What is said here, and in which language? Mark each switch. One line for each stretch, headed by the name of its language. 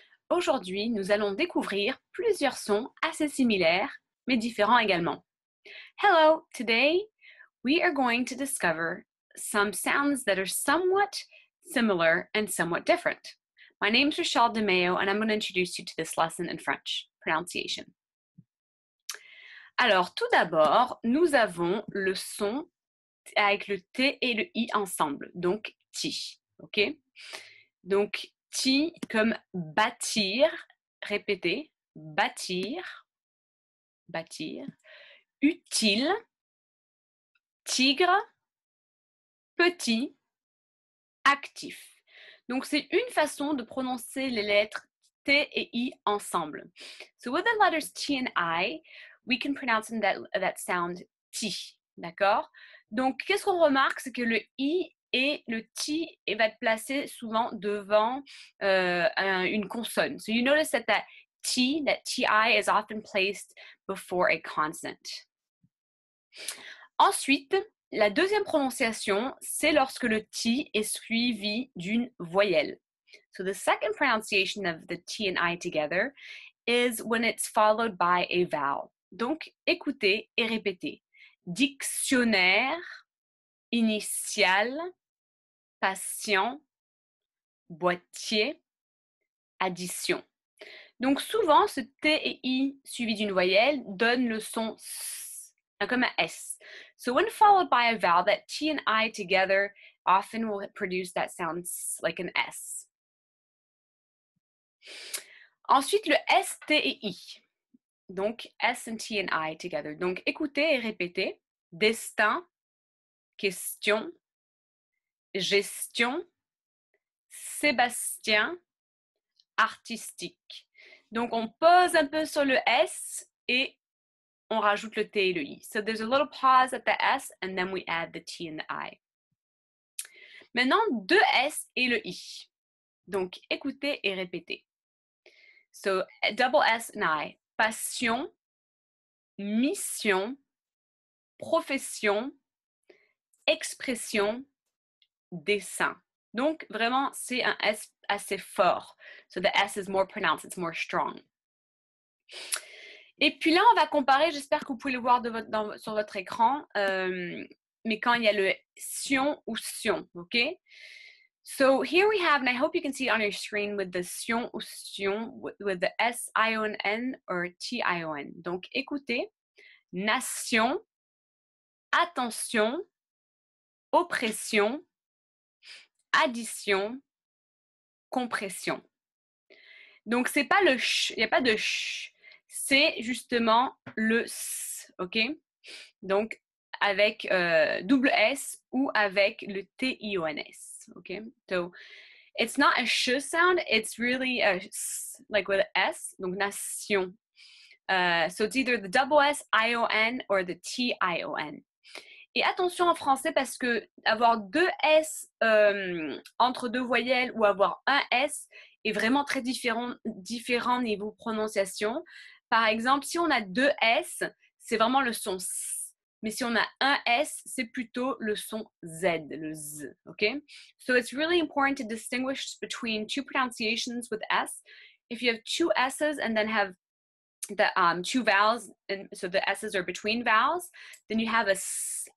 French: Aujourd'hui, nous allons découvrir plusieurs sons assez similaires, mais différents également.
English: Hello, today we are going to discover some sounds that are somewhat similar and somewhat different. My name is Rachel Demeo and I'm going to introduce you to this lesson in French, pronunciation.
French: Alors, tout d'abord, nous avons le son avec le T et le I ensemble, donc TI, ok? Donc, ti comme bâtir, répétez, bâtir, bâtir, utile, tigre, petit, actif. Donc, c'est une façon de prononcer les lettres T et I ensemble.
English: So, with the letters T and I, we can pronounce that sound ti, d'accord?
French: Donc, qu'est-ce qu'on remarque? C'est que le I et le ti va être placé souvent devant une consonne.
English: So you notice that that ti is often placed before a consonant.
French: Ensuite, la deuxième prononciation, c'est lorsque le ti est suivi d'une voyelle.
English: So the second pronunciation of the t and i together is when it's followed by a vowel.
French: Donc, écoutez et répétez. Dictionnaire, initial, patient, boîtier, addition. Donc souvent, ce T et I suivi d'une voyelle donne le son S, comme un S.
English: So when followed by a vowel, that T and I together often will produce that sound like an S.
French: Ensuite, le S, T et I. Donc
English: S and T and I together.
French: Donc écoutez et répétez. Destin, question, gestion, Sébastien, artistique. Donc, on pose un peu sur le S et on rajoute le T et le I.
English: So, there's a little pause at the S and then we add the T and the I.
French: Maintenant, deux S et le I. Donc, écoutez et répétez.
English: So, double S and I.
French: Passion, mission, profession, expression, dessin. Donc, vraiment, c'est un S assez fort.
English: So, the S is more pronounced, it's more strong.
French: Et puis là, on va comparer, j'espère que vous pouvez le voir sur votre écran, mais quand il y a le sion ou sion, ok?
English: So, here we have, and I hope you can see it on your screen, with the sion ou sion, with the S-I-O-N-N or T-I-O-N.
French: Donc, écoutez, nation, attention, oppression, addition, compression. Donc, ce n'est pas le ch, il n'y a pas de ch, c'est justement le s, ok? Donc, avec double s ou avec le t-i-o-n-s, ok?
English: So, it's not a ch sound, it's really a s, like with s,
French: donc nation.
English: So, it's either the double s-i-o-n or the t-i-o-n.
French: Et attention en français parce que avoir deux S entre deux voyelles ou avoir un S est vraiment très différent niveau prononciation. Par exemple, si on a deux S, c'est vraiment le son S. Mais si on a un S, c'est plutôt le son Z, le Z.
English: Okay? So it's really important to distinguish between two pronunciations with S. If you have two S's and then have the two vowels, and so the S's are between vowels, then you have a S.